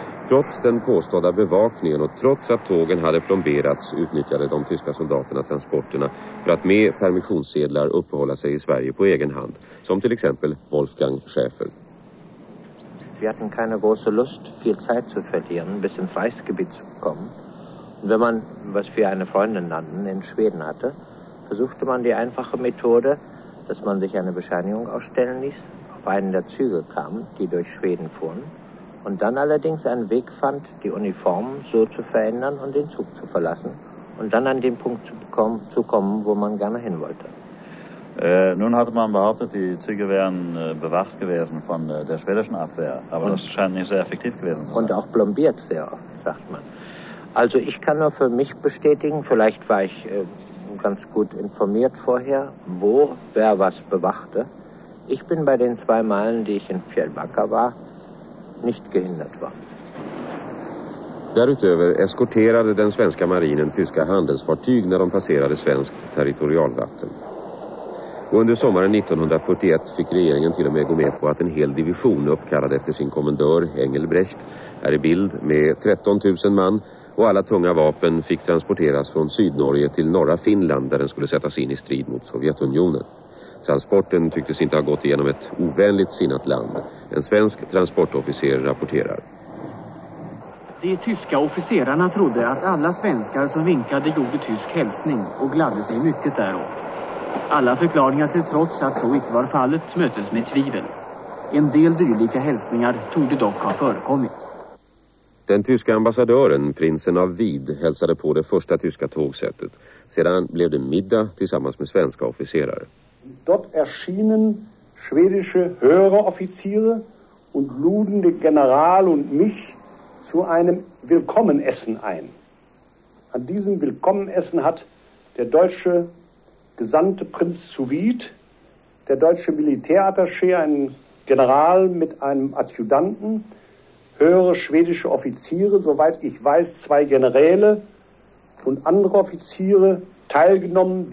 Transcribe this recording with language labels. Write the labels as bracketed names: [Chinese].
[Swedish] Trots den påstådda bevakningen och trots att tågen hade plomberats utnyttjade de tyska soldaterna transporterna för att med permissionssedlar uppehålla sig i Sverige på egen hand, som till exempel Wolfgang Schäfer. Vi hade [German] keine große Lust viel Zeit zu verlieren, bis ins Reichsgebiet zu kommen. Und wenn man was für eine Freundin nannten in Schweden hatte, versuchte man die einfache Methode, dass man sich eine Bescheinigung ausstellen ließ, auf einen der Züge kam, die durch Schweden fuhren. Und dann allerdings einen Weg fand, die Uniform so zu verändern und den Zug zu verlassen. Und dann an den Punkt zu kommen, wo man gerne hin wollte. Nun hatte man behauptet, die Züge wären bewacht gewesen von der schwedischen Abwehr. Aber das scheint nicht sehr effektiv gewesen zu sein. Und auch plombiert sehr oft, sagt man. Also ich kann nur für mich bestätigen, vielleicht war ich ganz gut informiert vorher, wo wer was bewachte. Ich bin bei den zwei Malen, die ich in Fjällbacka war, nicht gehindert worden. [Swedish] Därutöver eskorterade den svenska marinen tyska handelsfartyg när de passerade svenskt territorialvatten. Och under sommaren 1941 fick regeringen till och med gå med på att en hel division uppkallad efter sin kommandör Engelbrecht är i bild med 13 000 man och alla tunga vapen fick transporteras från Sydnorge till norra Finland där den skulle sättas in i strid mot Sovjetunionen. Transporten tycktes inte ha gått igenom ett ovänligt sinnat land. En svensk transportofficer rapporterar. De tyska officerarna trodde att alla svenskar som vinkade gjorde tysk hälsning och gladde sig mycket däråt. Alla förklaringar till trots att så inte var fallet möttes med tvivel. En del dylika hälsningar tog det dock ha förekommit. Den tyska ambassadören, prinsen av Wied, hälsade på det första tyska tågsättet. Sedan blev det middag tillsammans med svenska officerare. [German] Dort erschienen schwedische Höreroffiziere und luden den General und mich zu einem Willkommenessen ein. An diesem Willkommenessen hat der deutsche Gesandte Prinz zu Wied, der deutsche Militärattaché, ein General mit einem Adjutanten, höhere schwedische Offiziere, soweit ich weiß, zwei Generäle und andere Offiziere teilgenommen.